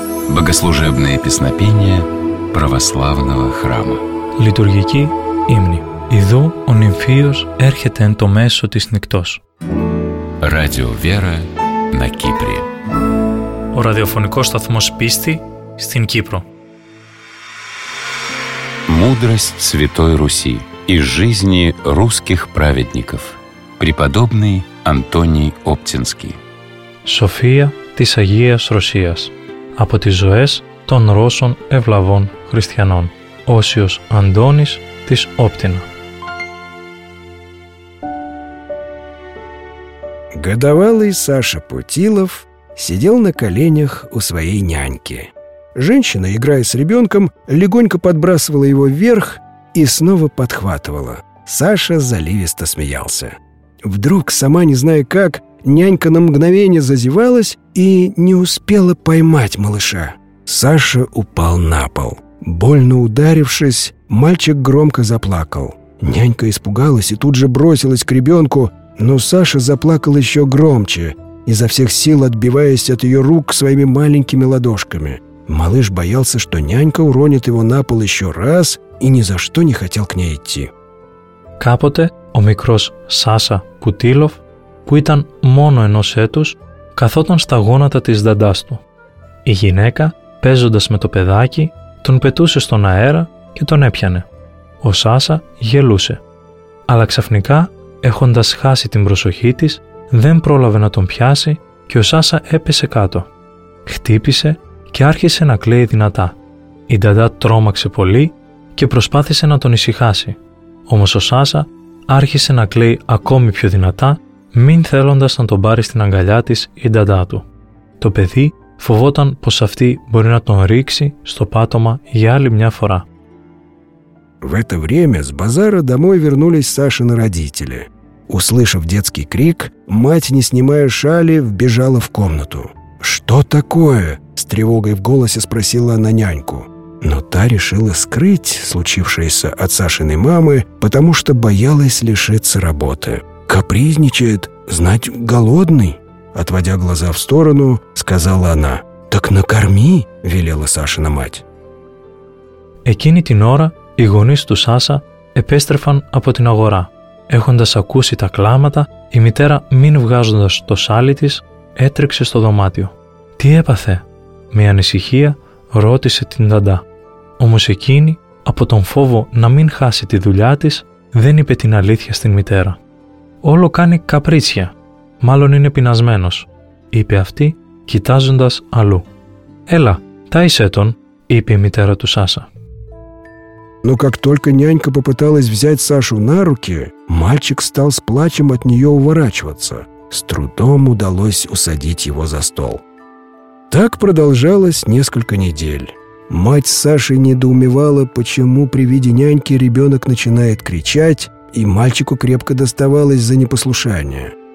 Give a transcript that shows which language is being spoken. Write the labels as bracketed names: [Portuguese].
[Russian] Богослужебные песнопения православного храма. [Greek] Литургики имни. Иду, ο нимфίος έρχεται εν το μέσο της νυχτός. [Russian] Радио Вера на Кипре. [Greek] Ο ραδιοφωνικός σταθμός πίστη στην Κύπρο. [Russian] Мудрость Святой Руси из жизни русских праведников. Преподобный Антоний Оптинский. [Greek] София της Αγίας Ρωσίας. Από τις ζωές των Ρώσων ευλαβών χριστιανών. Όσιος Αντώνης της Όπτινα. [Russian] Годовалый Саша Путилов сидел на коленях у своей няньки. Женщина, играя с ребенком, легонько подбрасывала его вверх и снова подхватывала. Саша заливисто смеялся. Вдруг, сама не зная как, нянька на мгновение зазевалась и не успела поймать малыша. Саша упал на пол. Больно ударившись, мальчик громко заплакал. Нянька испугалась и тут же бросилась к ребенку, но Саша заплакал еще громче, изо всех сил отбиваясь от ее рук своими маленькими ладошками. Малыш боялся, что нянька уронит его на пол еще раз и ни за что не хотел к ней идти. [Greek] Капоте о микрос Саша Кутилов, που ήταν μόνο ενός έτους, καθόταν στα γόνατα της δαντάς του. Η γυναίκα, παίζοντας με το παιδάκι, τον πετούσε στον αέρα και τον έπιανε. Ο Σάσα γελούσε. Αλλά ξαφνικά, έχοντας χάσει την προσοχή της, δεν πρόλαβε να τον πιάσει και ο Σάσα έπεσε κάτω. Χτύπησε και άρχισε να κλαίει δυνατά. Η δαντά τρόμαξε πολύ και προσπάθησε να τον ησυχάσει. Όμως ο Σάσα άρχισε να κλαίει ακόμη πιο δυνατά, μην θέλοντας να τον πάρει στην αγκαλιά της η νταντά του. το παιδί φοβόταν πως αυτή μπορεί να τον ρίξει στο πάτωμα για άλλη μια φορά. [Russian] В это время с базара домой вернулись Сашины родители. Услышав детский крик, мать, не снимая шали, вбежала в комнату. «Что такое?» – с тревогой в голосе спросила она няньку. Но та решила скрыть случившееся от Сашиной мамы, потому что боялась лишиться работы. «Капризничает, знать, голодный?» Отводя глаза в сторону, сказала она. «Так накорми!» – велела Сашина мать. [Greek] Экини тинора, и гонис ту Саша, эпестрефан апо тин агора. Έχοντας ακούσει τα κλάματα, η μητέρα, μην βγάζοντας το σάλι της, έτρεξε στο δωμάτιο. «Τι έπαθε?» Με ανησυχία ρώτησε την Ταντά. Όμως εκείνη, από τον φόβο να μην χάσει τη δουλειά της, δεν είπε την αλήθεια στην μητέρα. «Όλο κάνει καπρίτσια. Μάλλον είναι πεινασμένος», είπε αυτή, κοιτάζοντας αλλού. «Έλα, τάισέ τον», είπε η μητέρα του Σάσα. [Russian] Но как только нянька попыталась взять Сашу на руки, мальчик стал с плачем от нее уворачиваться. С трудом удалось усадить его за стол. Так продолжалось несколько недель. Мать Саши недоумевала, почему при виде няньки ребенок начинает кричать, и мальчику крепко доставалось за непослушание.